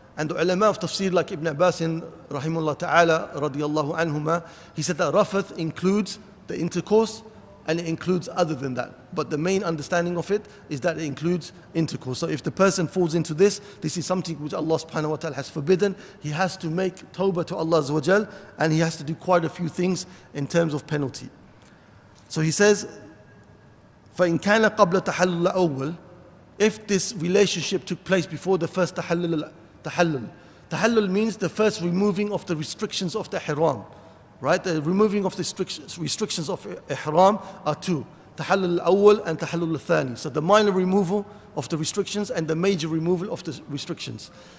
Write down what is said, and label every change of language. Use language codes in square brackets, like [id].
[en] And the ulama of tafsir like Ibn Abbas rahimahullah ta'ala radiyallahu anhuma, he said that rafath includes the intercourse and it includes other than that. But the main understanding of it is that it includes intercourse. So if the person falls into this, this is something which Allah subhanahu wa ta'ala has forbidden. He has to make tawbah to Allah azza wa jal, and he has to do quite a few things in terms of penalty. [ar] So he says, فَإِنْ كَانَ قَبْلَ تَحَلُّ الْأَوَّلِ. [en] If this relationship took place before the first tahallul. Tahallul means the first removing of the restrictions of the ihram. Right, the removing of the restrictions of ihram are two, tahallul al-awwal and tahallul al-thani. So the minor removal of the restrictions and the major removal of the restrictions.